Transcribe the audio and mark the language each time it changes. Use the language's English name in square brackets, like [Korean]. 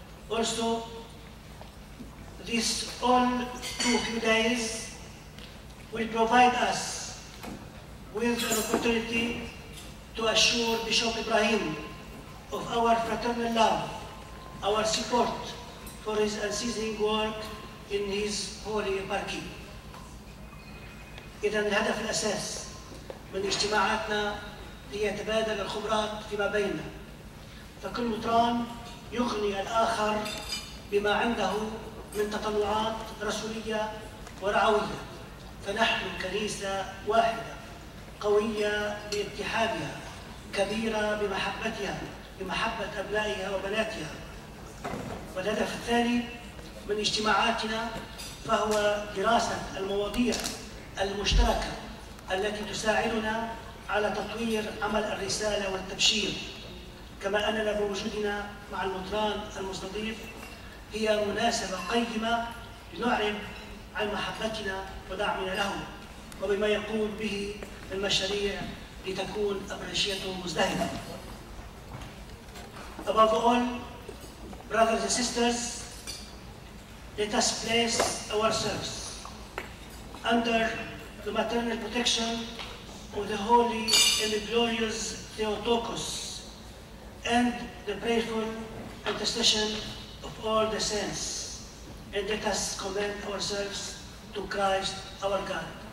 [English] Also, these all too few days will provide us with an opportunity to assure Bishop Ibrahim of our fraternal love, our support for his unceasing work in his holy eparchy. [Arabic] إذا الهدف الأساس من اجتماعاتنا هي تبادل الخبرات فيما بيننا، فكل مطران يغني الآخر بما عنده من تطلعات رسولية ورعوية، فنحن كنيسة واحدة قوية باتحادها، كبيرة بمحبتها بمحبة أبنائها وبناتها. والهدف الثاني من اجتماعاتنا فهو دراسة المواضيع المشتركة التي تساعدنا على تطوير عمل الرسالة والتبشير، كما أننا بوجودنا مع المطران المستضيف هي مناسبة قيمة لنعرب عن محبتنا ودعمنا له وبما يقوم به المشاريع لتكون أبرشيته مزدهرة. [English] Above all, brothers and sisters, let us place ourselves under the maternal protection of the holy and the glorious Theotokos and the prayerful intercession of all the saints, and let us commend ourselves to Christ our God.